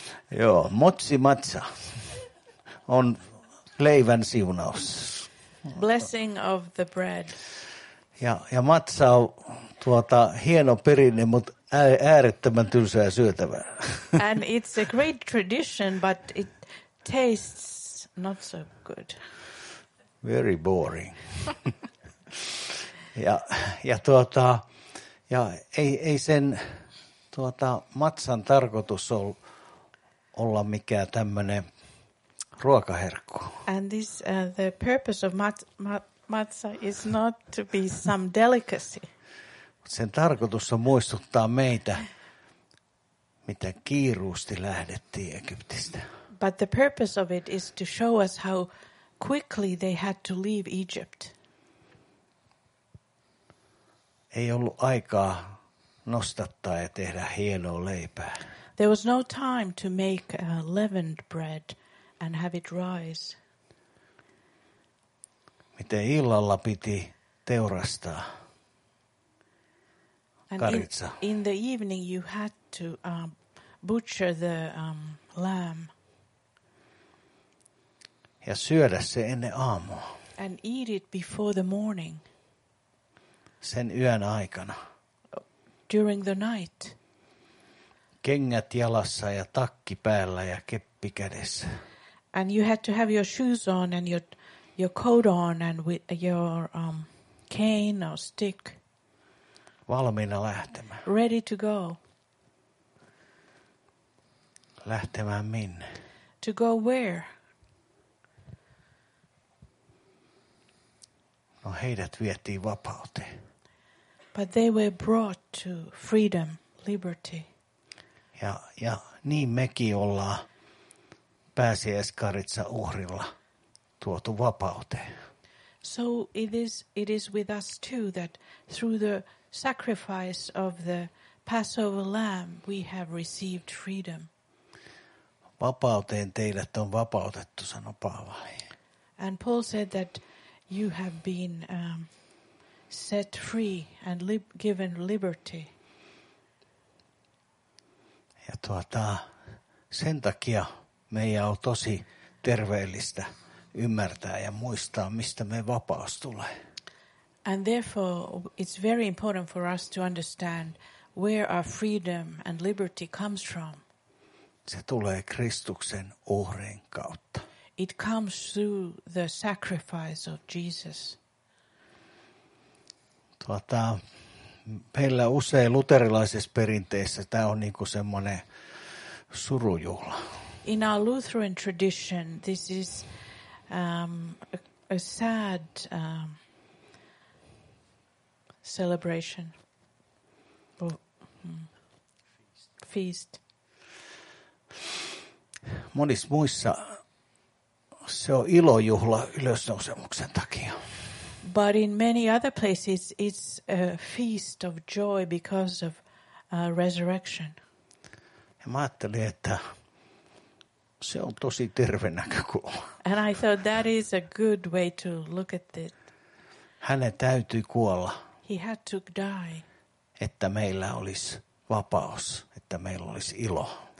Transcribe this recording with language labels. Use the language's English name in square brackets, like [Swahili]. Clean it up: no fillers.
[Finnish] Joo, motsi matsa on leivän siunaus. [English] Blessing of the bread. [Finnish] Ja matsa on tuota hieno perinne, mut äärettömän tylsää syötävää. [English] And it's a great tradition, but it tastes not so good. Very boring. [Finnish] Ja tuota, ja ei sen tuota matsan tarkoitus olla mikään tämmönen ruokaherkku. [English] And this the purpose of matza is not to be some delicacy. [Finnish] Sen tarkoitus on muistuttaa meitä, mitä kiiruusti lähdettiin Egyptistä. [English] But the purpose of it is to show us how quickly they had to leave Egypt. [Finnish] Ei ollut aikaa nostattaa ja tehdä hienoa leipää. [English] There was no time to make leavened bread and have it rise. [Finnish] Miten illalla piti teurastaa karitsa. [English] In the evening you had to butcher the lamb. [Finnish] Ja syödä se ennen aamua. [English] And eat it before the morning. [Finnish] Sen yön aikana. [English] During the night. [Finnish] Kengät jalassa ja takki päällä ja keppi kädessä. [English] And you had to have your shoes on and your coat on and with your cane or stick. [Finnish] Valmiina lähtemään. [English] Ready to go. [Finnish] Lähtemään minne? [English] To go where? [Finnish] No heidät vietiin vapauteen. [English] But they were brought to freedom, liberty. [Finnish] Ja niin mekin ollaan pääsiäiskaritsa uhrilla tuotu vapauteen. [English] So it is with us too that through the sacrifice of the Passover lamb we have received freedom. [Finnish] Vapauteen teidät on vapautettu, sanoi Paavali. [English] And Paul said that you have been set free and given liberty. [Finnish] Ja tuota, sen takia meidän on tosi terveellistä ymmärtää ja muistaa, mistä meidän vapaus tulee. [English] And therefore, it's very important for us to understand where our freedom and liberty comes from. [Finnish] Se tulee Kristuksen uhrin kautta. [English] It comes through the sacrifice of Jesus. [Finnish] Meillä usein luterilaisessa perinteessä tämä on niinku semmoinen surujuhla. [English] In our Lutheran tradition, this is a sad celebration. Feast. [Finnish] Monissa muissa se on ilojuhla ylösnousemuksen takia. [English] But in many other places, it's a feast of joy because of resurrection. [Finnish] Ja mä ajattelin, että se on tosi terve näkökulma. [English] And I thought that is a good way to look at it. [Finnish] Hänen täytyy kuolla. [English] He had to die. [Finnish] Että meillä olisi vapaus, että meillä olisi ilo.